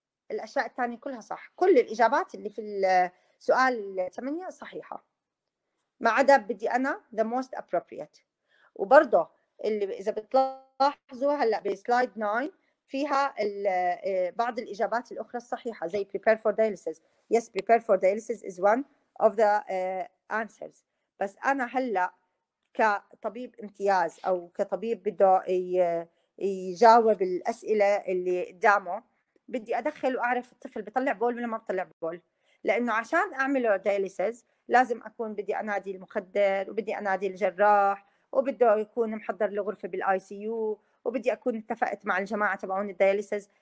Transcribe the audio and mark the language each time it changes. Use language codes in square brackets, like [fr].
[ar] الأشياء الثانية كلها صح، كل الإجابات اللي في السؤال 8 صحيحة، ما عدا بدي أنا [en] the most appropriate. [ar] وبرضه اللي إذا بتلاحظوا هلأ بسلايد 9 فيها بعض الإجابات الأخرى الصحيحة زي [en] prepare for dialysis. Yes, prepare for dialysis is one of the answers. [ar] بس أنا هلأ كطبيب امتياز أو كطبيب بده يجاوب الأسئلة اللي قدامه، بدي أدخل وأعرف الطفل بطلع بول ولا ما بطلع بول، لأنه عشان أعمله dialysis لازم أكون بدي أنادي المخدر وبدي أنادي الجراح وبده يكون محضر لغرفة بالآي سي يو وبدي أكون اتفقت مع الجماعة تبعون الدياليسز.